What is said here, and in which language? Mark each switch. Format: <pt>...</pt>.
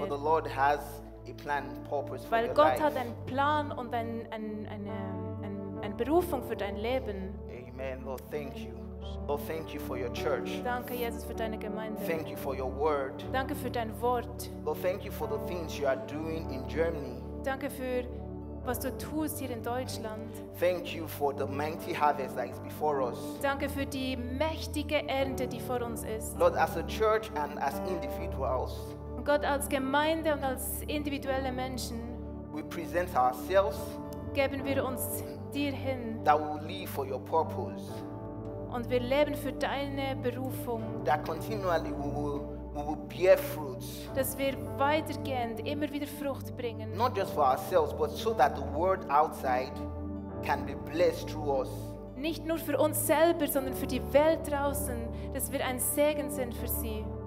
<en>For the Lord has a plan, purpose for</en> <de>Weil</de> <en>your</en> <de>Gott</de> <en>life.</en> <de>Hat einen Plan und eine Berufung für dein Leben.</de> <en>Amen. Lord, thank you. Lord, thank you for your church.</en> <de>Danke, Jesus, für deine Gemeinde.</de> <en>Thank you for your word.</en> <de>Danke für dein Wort.</de> <en>Lord, thank you for the things you are doing in Germany.</en> <de>Danke für was du tust hier in Deutschland.</de> <en>Thank you for the mighty harvest that is before us.</en> <de>Danke für die mächtige Ernte, die vor uns ist.</de> <en>Lord, as a church and as individuals.</en> <de>Und Gott, als Gemeinde und als individuelle Menschen.</de> <en>We present ourselves.</en> <de>Geben wir uns dir hin.</de> <en>That we live for your purpose.</en> <de>Und wir leben für deine Berufung.</de> <en>That continually we will bear fruits.</en> <de>Dass wir weitergehend immer wieder Frucht bringen.</de> <en>Not just for ourselves, but so that the world outside can be blessed through us.</en> <de>nicht nur für uns selber, sondern für die Welt draußen, dass wir ein Segen sind für sie.</de>